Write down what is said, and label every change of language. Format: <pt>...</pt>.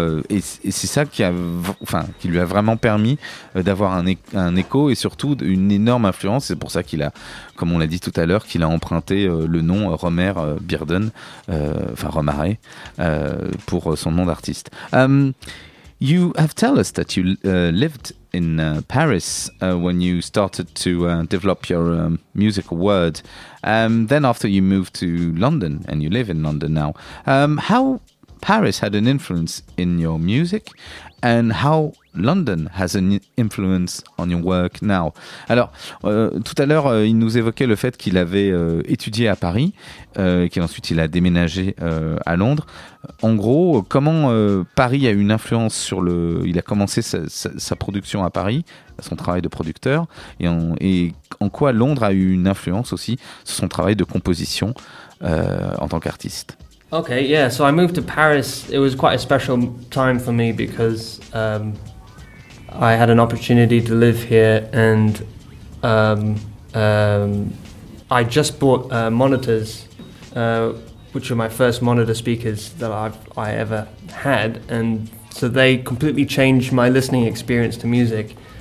<fr>Et c'est ça qui lui a vraiment permis d'avoir un écho et surtout une énorme influence. C'est pour ça qu'il a, comme on l'a dit tout à l'heure, qu'il a emprunté le nom Romer Bearden, Romare, pour son nom d'artiste.</fr> <en>You have told us that you lived in Paris when you started to develop your musical world. Then after you moved to London, and you live in London now. How Paris had an influence in your music, and how London has an influence on your work now.</en> <fr>Alors, tout à l'heure, il nous évoquait le fait qu'il avait étudié à Paris, qu'ensuite il a déménagé à Londres. En gros, comment Paris a une influence sur le... Il a commencé sa production à Paris, son travail de producteur, et en quoi Londres a eu une influence aussi sur son travail de composition en tant qu'artiste.</fr> <en>Okay, yeah, so I moved to Paris. It was quite a special time for me because I had an opportunity to live here, and I just bought monitors, which were my first monitor speakers that I ever had, and so they completely changed my listening experience to music.</en>